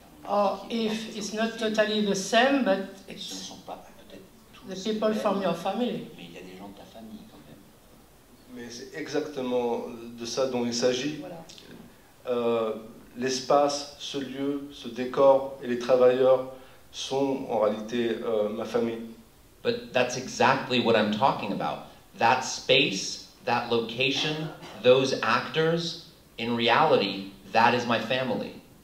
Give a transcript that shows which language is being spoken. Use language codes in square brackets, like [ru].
[en] or if it's not films, totally the same, but it's [fr] ce sont pas, [en] the people from your family. [fr] Mais il y a des gens de ta famille, quand même. Mais c'est exactement de ça dont il s'agit. Voilà. L'espace, ce lieu, ce décor et les travailleurs sont en réalité ma famille. [en] But that's exactly what I'm talking about. That space, that location, those actors, in reality, that is my family.